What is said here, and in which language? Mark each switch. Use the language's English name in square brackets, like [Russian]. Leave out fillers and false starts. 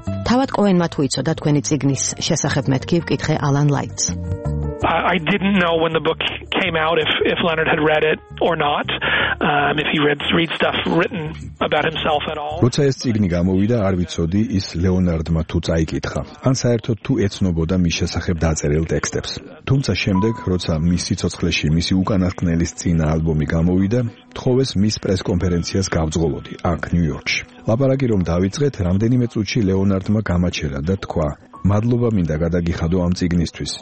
[Georgian] თავად კოენმა თუ იცოდა თქვენი წიგნის შესახებ მეთქი, ვკითხე Alan Light-ს. [English] I didn't know when the book came out if Leonard had read it or not, if he read stuff written about himself at all. [Georgian] როცა ეს წიგნი გამოვიდა, არ ვიცოდი ის ლეონარდმა თუ წაიკითხა, ან საერთოდ თუ ეცნობოდა მის შესახებ დაწერილ ტექსტებს. თუმცა შემდეგ, როცა მის სიცოცხლეში მისი უკანასკნელის წინა ალბომი გამოვიდა, თხოვეს მის პრეს კონფერენციას გავძღოლოდი აქ ნიუ-იორკში. ლაპარაკი რომ დავიწყეთ, რამდენიმე წუთში ლეონარდმა გამაჩერა და თქვა: მადლობა მინდა გადაგიხადო ამ წიგნისთვის.